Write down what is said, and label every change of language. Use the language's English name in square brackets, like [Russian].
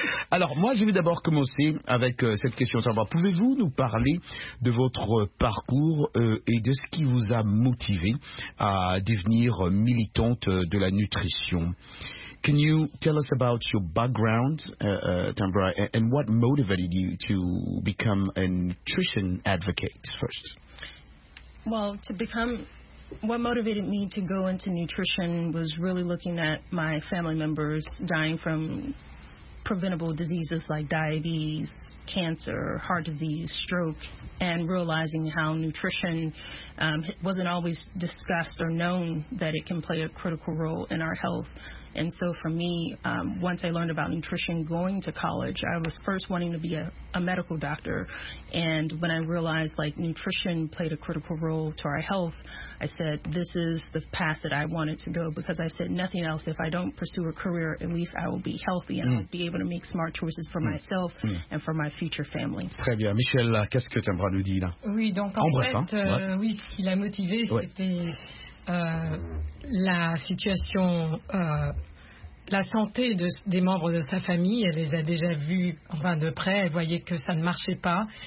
[French] Alors, moi, je vais d'abord commencer avec cette question. Pouvez-vous nous parler de votre parcours et de ce qui vous a motivé à devenir militante de la nutrition? [English] Can you tell us about your background, Timbra, and what motivated you to become a nutrition advocate first? Well, to become, what motivated me to go into nutrition was really looking at my family members dying from preventable diseases like diabetes, cancer, heart disease, stroke, and realizing how nutrition wasn't always discussed or known that it can play a critical role in our health. And so for me, once I learned about nutrition going to college, I was first wanting to be a medical doctor. And when I realized like nutrition played a critical role to our health, I said, this is the path that I wanted to go, because I said, nothing else. If I don't pursue a career, at least I will be healthy and I'll be able to make smart choices for myself and for my future family. [French] Très bien. Michel, qu'est-ce que tu aimerais nous dire là? Oui, donc en fait, ce qui l'a motivé, c'était... la situation, la santé des membres de sa famille, elle les a déjà vus enfin, de près, elle voyait que ça ne marchait pas.